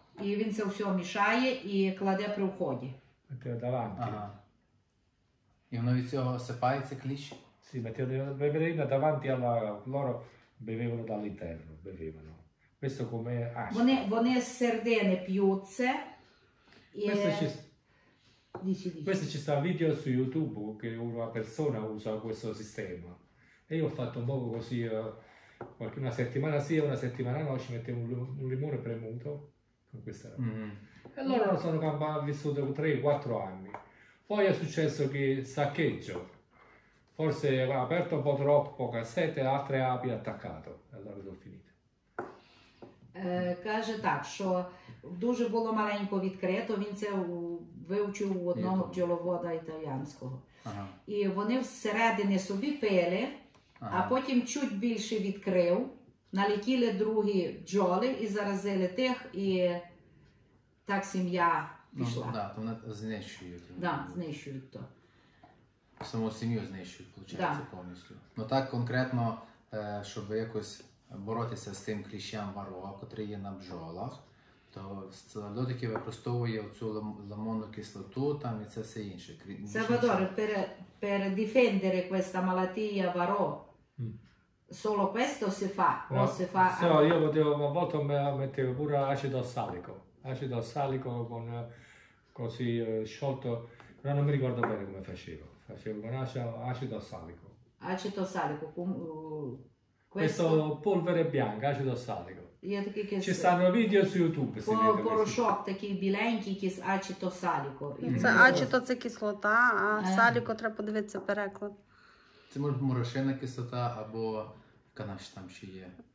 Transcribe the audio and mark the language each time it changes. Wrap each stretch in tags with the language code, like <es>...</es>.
<uk>І він це все мішає і кладе при вході. Давай. Ага. І воно від цього сипається кліщ?</uk> <it>Sì, bevevano davanti alla loro, bevevano dall'interno, bevevano. Questo come asce.</it> <uk>Вони з середини п'ють це.</uk> <it>Questo ci sta un video su YouTube che una persona usa questo sistema. E io ho fatto un poco così, una settimana sì e una settimana no, ci mettevo un limone premuto. Con questa roba. Mm-hmm. E loro sono vissuti 3-4 anni. Poi è successo che saccheggio. Forse ha aperto un po' troppo cassette e altre api attaccato. Allora sono finito.</it> <uk>Каже так, що дуже було маленько відкрито, він це вивчив у одного пчеловода італіянського. Ага. І вони всередині собі пили, ага. А потім чуть більше відкрив, налетіли другі бджоли і заразили тих, і так сім'я пішла. Ну, да, то вони знищують. Да, знищують то. Саму сім'ю знищують, виходить, повністю. Ну так конкретно, щоб якось боротися з тим кліщем варо, котрий є на бджолах, то людики використовує цю лимонну кислоту там і це все інше.</uk> <it>Сальвадор, per difendere questa malattia varo, solo questo si fa? No, si fa se, a... Io potevo, a volte mettevo pure acido ossalico con così sciolto, però non mi ricordo bene come facevo. Facevo con acido ossalico. Acido ossalico, questo polvere bianco, acido ossalico. Che... Ci stanno video su YouTube.</it> <uk>Порошок такий біленький,</uk> <it>acido ossalico.</it> <uk>Це acido це кислота, а ossalico треба подивитися переклад. Це може морошина кислота або канаш там ще є.</uk>